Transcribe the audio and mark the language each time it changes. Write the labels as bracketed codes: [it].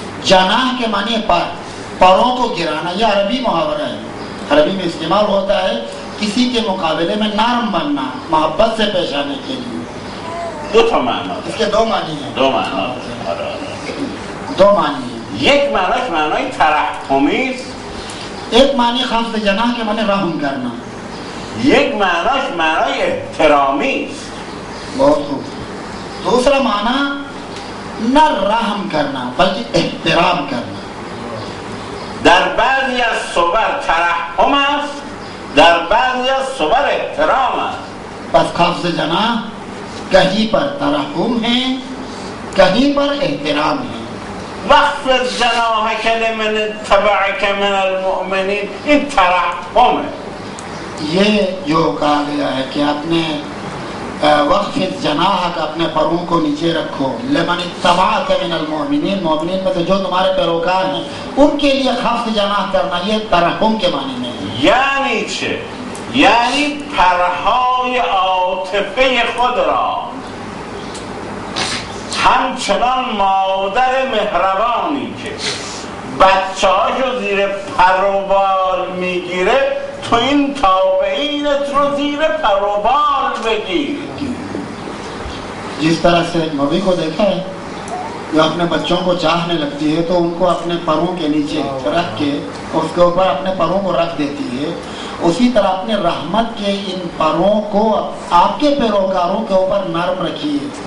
[ur] جناح کے معنی ہے پر, پروں کو گرانا. یہ عربی محاورہ ہے, عربی میں استعمال ہوتا ہے کسی کے مقابلے میں نرم بننا محبت سے پیش آنے کے لیے. [fa] دو تا معنی, [ur] اس کے دو معنی ہیں. دو معنی, دو معنی. [fa] یک معنیش معنی ترحمی است, [ur] ایک معنی خاص جناح کے معنی رحم کرنا, [fa] یک معنیش معنی احترامی است. [ur] بہت خوب. دوسرا معنی نہ رحم کرنا بلکہ احترام کرنا. [fa] در بعضی از صور ترحم است, در بعضی از صور احترام است. [ur] پس خاص جناح کہیں پر ترحم ہے, کہیں پر احترام ہے. [ar] وقف جناح کلمن تبعک من المؤمنین, [fa] این ترحمه. [ur] یہ جو کہا گیا ہے کہ اپنے وقف جناح اپنے پروں کو نیچے رکھو, [ar] لمن اتبعك من المؤمنین, [ur] مؤمنین میں سے جو تمہارے پیروکار ہیں ان کے لیے خفض جناح کرنا, یہ ترحم کے معنی میں. [fa] یعنی چه؟ یعنی پرهای عاطفه خود را همچنان مادر مهربانی که بچه هاشو زیر پروبال میگیره, تو این تابعینت رو زیر پروبال بگیر. [ur] جس طرح سے مبی کو دیکھا ہے جو اپنے بچوں کو چاہنے لگتی ہے تو ان کو اپنے پروں کے نیچے رکھ کے اس کے اوپر اپنے پروں کو رکھ دیتی ہے, اسی طرح اپنے رحمت کے ان پروں کو آپ کے پیروکاروں کے اوپر نرم رکھیے.